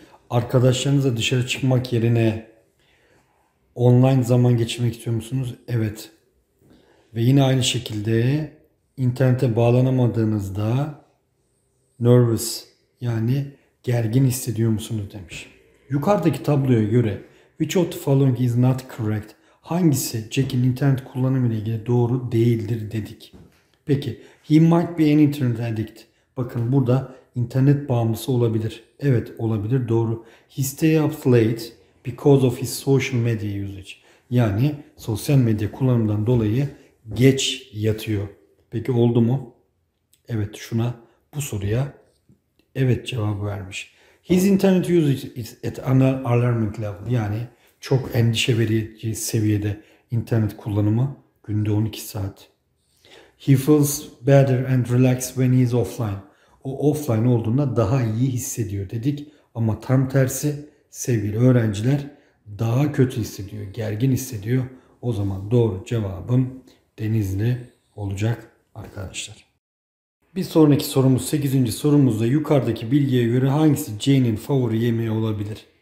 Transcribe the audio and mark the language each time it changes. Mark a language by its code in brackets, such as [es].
[tr] Arkadaşlarınızla dışarı çıkmak yerine online zaman geçirmek istiyor musunuz? Evet. Ve yine aynı şekilde internete bağlanamadığınızda nervous yani gergin hissediyor musunuz demiş. Yukarıdaki tabloya göre [en] which of the following is not correct? [tr] Hangisi Jack'in internet kullanımı ile ilgili doğru değildir dedik. Peki [en] he might be an internet addict. [tr] Bakın burada internet bağımlısı olabilir. Evet olabilir doğru. [en] He stay up late because of his social media usage. [tr] Yani sosyal medya kullanımından dolayı geç yatıyor. Peki oldu mu? Evet şuna bu soruya evet cevabı vermiş. [en] His internet usage is at an alarming level. [tr] Yani çok endişe verici seviyede internet kullanımı günde 12 saat. [en] He feels better and relaxed when he is offline. [tr] O offline olduğunda daha iyi hissediyor dedik. Ama tam tersi sevgili öğrenciler daha kötü hissediyor, gergin hissediyor. O zaman doğru cevabım Denizli olacak arkadaşlar. Bir sonraki sorumuz 8. sorumuzda yukarıdaki bilgiye göre hangisi Jane'in favori yemeği olabilir?